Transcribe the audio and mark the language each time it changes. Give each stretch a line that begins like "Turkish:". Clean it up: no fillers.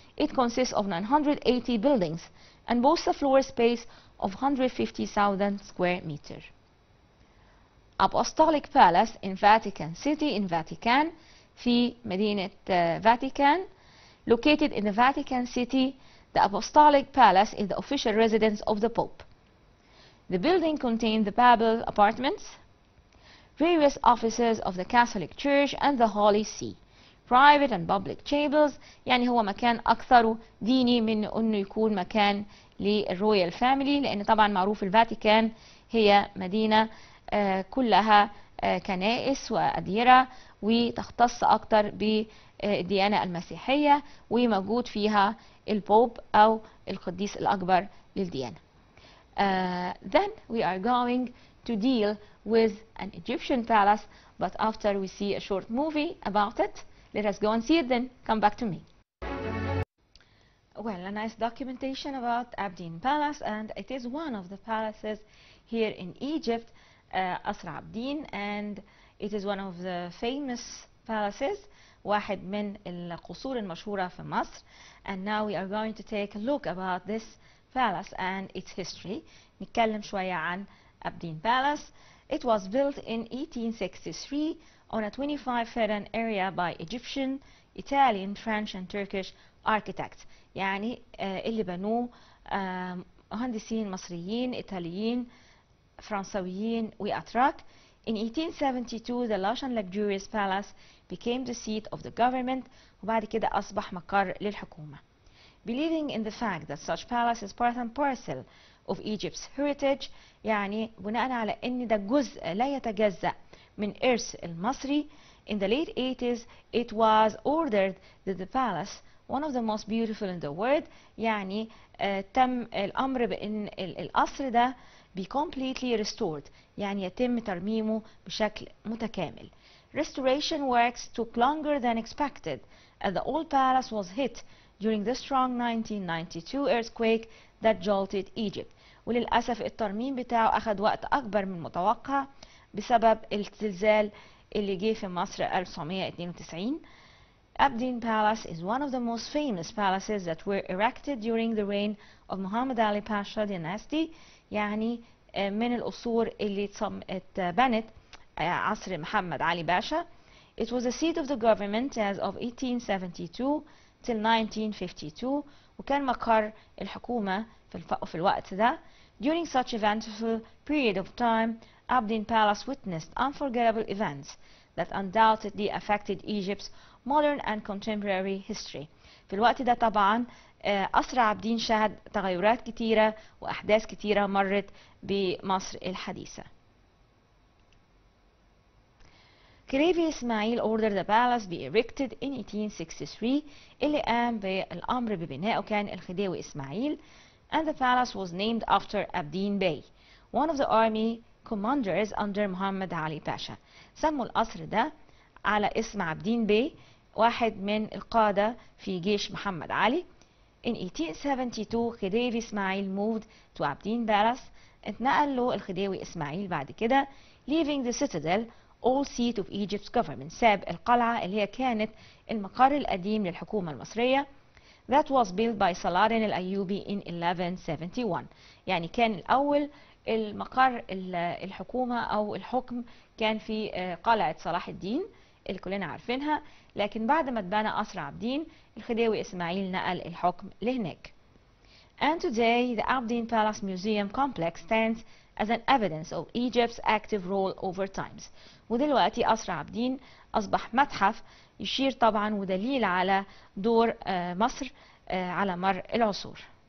English: It consists of 980 buildings and boasts a floor space of 150,000 square meter. Apostolic Palace in Vatican City in Vatican.
Arabic: في مدينة فاتيكان.
English: Located in the Vatican City, the Apostolic Palace is the official residence of the Pope. The building contains the Papal apartments, various offices of the Catholic Church and the Holy See, private and public chambers.
Arabic: يعني هو مكان أكثر ديني من أنه يكون مكان للرويال فاميلي، لأن طبعا معروف الفاتيكان هي مدينة كلها كنائس وأديرة وتختص أكثر بالديانة المسيحية، وموجود فيها البوب أو القديس الأكبر للديانة.
English: Then we are going to deal with an Egyptian palace, but after we see a short movie about it, let us go and see it, then come back to me. Well, a nice documentation about Abdin Palace, and it is one of the palaces here in Egypt, Asr Abdin, and it is one of the famous palaces,
Arabic: واحد من القصور المشهورة في مصر.
English: And now we are going to take a look about this palace and its history.
Arabic: نتكلم شوية عن Abdin Palace.
English: It was built in 1863 on a 25-furan area by Egyptian, Italian, French and Turkish architects.
Arabic: يعني اللي بنوه مهندسين مصريين، إيطاليين، فرنسويين وأتراك.
English: In 1872 the lush and luxurious palace became the seat of the government.
Arabic: وبعد كده أصبح مقر للحكومة.
English: Believing in the fact that such palace is part and parcel of Egypt's heritage,
Arabic: يعني بناء على ان ده جزء لا يتجزأ من إرث المصري.
English: In the late 80s it was ordered that the palace, one of the most beautiful in the world,
Arabic: يعني تم الأمر بأن القصر ده
English: be completely restored,
Arabic: يعني يتم ترميمه بشكل متكامل.
English: Restoration works took longer than expected as the old palace was hit during the strong 1992 earthquake that jolted Egypt.
Arabic: وللأسف الترميم بتاعه أخذ وقت أكبر من متوقع بسبب الزلزال اللي جه في مصر 1992.
English: Abdin Palace is one of the most famous palaces that were erected during the reign of Muhammad Ali Pasha dynasty.
Arabic: يعني من القصور اللي اتبنت عصر محمد علي باشا.
English: It was a seat of the government as of 1872 till 1952.
Arabic: وكان مقر الحكومة في الوقت ده.
English: During such eventful period of time, Abdin Palace witnessed unforgettable events that undoubtedly affected Egypt's modern and contemporary history.
Arabic: في الوقت ده طبعا قصر عابدين شهد تغيرات كتيرة وأحداث كتيرة مرت بمصر الحديثة.
English: كليفي إسماعيل ordered the palace be erected in 1863.
Arabic: اللي قام بالأمر ببنائه كان الخديوي إسماعيل.
English: And the palace was named after Abdin Bey, one of the army commanders under Muhammad Ali Pasha.
Arabic: سموا القصر ده على اسم عابدين بي، واحد من القادة في جيش محمد علي.
English: In 1872, خديوي إسماعيل moved to Abdin Palace.
Arabic: اتنقل له الخديوي إسماعيل بعد كده.
English: Leaving the citadel, old seat of Egypt's government.
Arabic: ساب القلعة اللي هي كانت المقر القديم للحكومة المصرية.
English: That was built by Saladin al-Ayyubi in 1171.
Arabic: يعني كان الأول المقر الحكومة أو الحكم كان في قلعة صلاح الدين اللي كلنا عارفينها، لكن بعد ما اتبنى قصر عابدين الخديوي إسماعيل نقل الحكم لهناك.
English: And today the Abdin Palace Museum complex stands as an evidence of Egypt's active role over times.
Arabic: ودلوقتي قصر عابدين أصبح متحف يشير طبعا ودليل على دور مصر على مر العصور.